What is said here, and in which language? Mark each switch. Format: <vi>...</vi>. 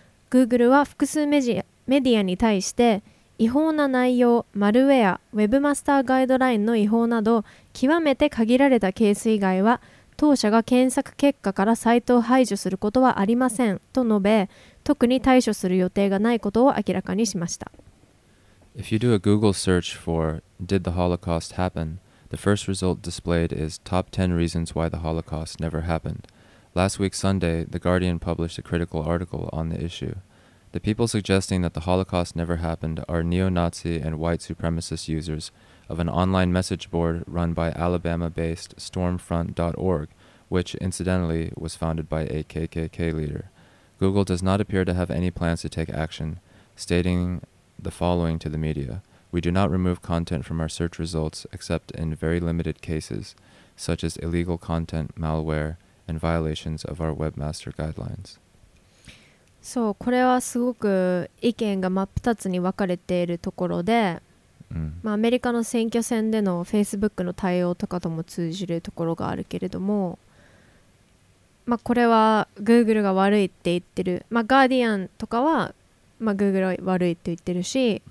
<ja>Google は複数メディアに対して、違法な内容、マルウェア、ウェブマスターガイドラインの違法など極めて限られたケース以外は当社が検索結果からサイトを排除することはありませんと述べ、特に対処する予定がないことを明らかにしました。</ja> <en>If you do a Google search for Did the Holocaust happen? The first result displayed is Top 10 reasons why the Holocaust never happened. Last week Sunday, The Guardian published a critical article on the issue. The people suggesting that the Holocaust never happened are neo-Nazi and white supremacist usersof an online message board run by Alabama-based Stormfront.org, which, incidentally, was founded by a KKK leader. Google does not appear to have any plans to take action, stating the following to the media: We do not remove content from our search results except in very limited cases, such as illegal content, malware, and violations of our webmaster guidelines.</en> <ja>そう、これはすごく意見が真っ二つに分かれているところで、まあ、アメリカの選挙戦でのフェイスブックの対応とかとも通じるところがあるけれども、まあ、これは Google が悪いって言ってる、まあ、ガーディアンとかは、まあ、Google は悪いって言ってるし、</ja>